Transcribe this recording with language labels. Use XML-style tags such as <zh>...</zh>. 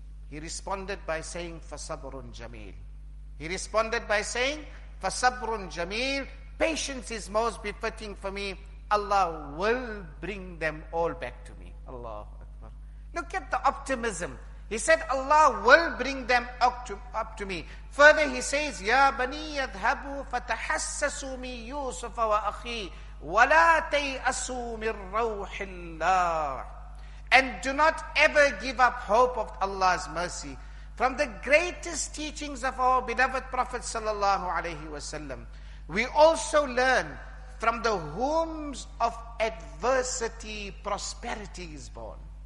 <en>He responded by saying,</en> <ar>فَصَبْرٌ جَمِيلٌ.</ar> <en>He responded by saying, فَصَبْرٌ جَمِيلٌ. Patience is most befitting for me. Allah will bring them all back to me. Allahu Akbar. Look at the optimism. He said, Allah will bring them up to me. Further, he says,</en> <ar>يَا بَنِي يَذْهَبُوا فَتَحَسَّسُوا مِي يُوسُفَ وَأَخِي وَلَا تَيْأَسُوا مِنْ رَوْحِ اللَّهِ.</ar> <en>And do not ever give up hope of Allah's mercy. From the greatest teachings of our beloved Prophet sallallahu alaihi wasallam, we also learn from the wombs of adversity, prosperity is born.</en>